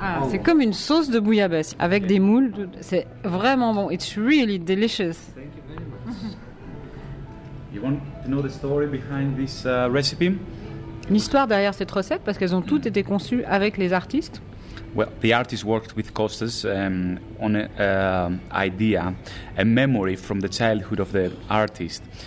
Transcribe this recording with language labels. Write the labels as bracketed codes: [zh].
[fr] C'est comme une sauce de bouillabaisse avec des moules. C'est vraiment bon. [en] It's really delicious. Thank you very much. You want to know the story behind this recipe? [fr] L'histoire derrière cette recette, parce qu'elles ont toutes été conçues avec les artistes. [en] Well, the artist worked with Costas on an idea, a memory from the childhood of the artist.